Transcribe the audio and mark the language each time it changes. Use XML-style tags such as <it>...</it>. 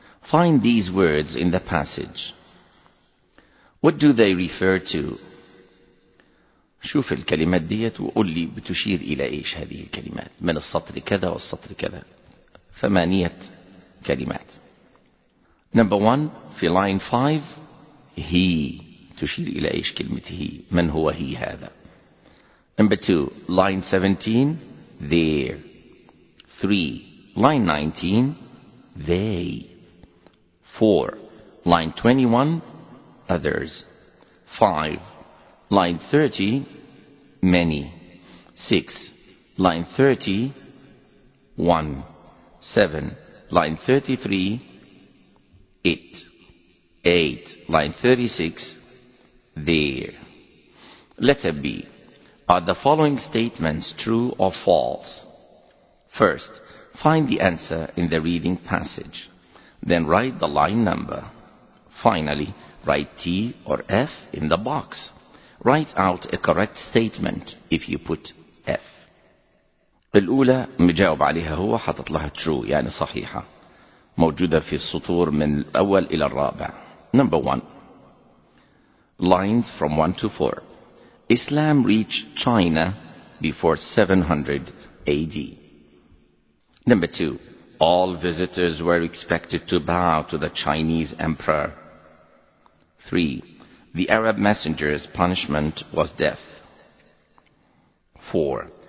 <en>Find these words in the passage. What do they refer to?</en> <ar>شوف الكلمات ديت وقول لي بتشير إلى إيش هذه الكلمات من السطر كذا والسطر كذا. ثمانية كلمات.</ar> <en>Number 1, في line 5, he.</en> <ar>تشير إلى إيش كلمة هي؟ من هو هي هذا؟</ar> <en>Number 2, line 17, there. 3, line 19, they. 4, line 21, others. 5, line 30, many. 6, line 30, one. 7, line 33, it. 8, line 36, there. Letter B. Are the following statements true or false? First, find the answer in the reading passage. Then write the line number. Finally, write T or F in the box. Write out a correct statement if you put F.</en> <ar>الأولى مجاوب عليها هو حطت لها true يعني صحيحة موجودة في السطور من الأول إلى الرابع.</ar> <en>Number 1. Lines from 1 to 4. Islam reached China before 700 AD. Number 2. All visitors were expected to bow to the Chinese emperor. 3. The Arab messenger's punishment was death. 4.</en>